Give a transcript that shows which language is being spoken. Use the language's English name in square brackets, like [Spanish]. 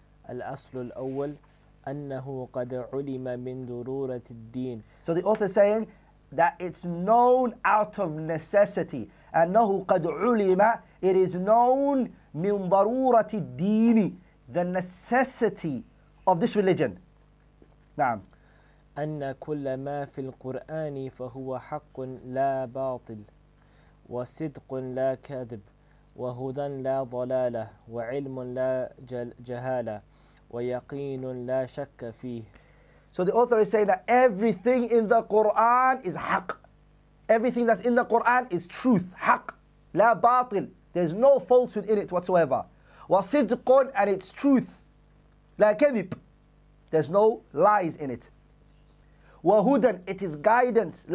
[Arabic] الأصل الأول أنه قد علم من ضرورة الدين. [English] So the author is saying that it's known out of necessity. [Arabic] أنه قد علم, [English] it is known [Arabic] من ضرورة الدين, [English] the necessity of this religion. نعم. [Arabic] أن كل ما في القرآن فهو حق لا باطل وصدق لا كذب وهدى لا ضلالة وعلم لا جهالة ويقين لا شك فيه. [English] So the author is saying that everything in the Quran is haq. Everything that's in the Quran is truth, haq. [Arabic] لا باطل. [English] There's no falsehood in it whatsoever. وصدق, and it's truth. [Arabic] لا كذب. [English] There's no lies in it. وهدى, it is guidance.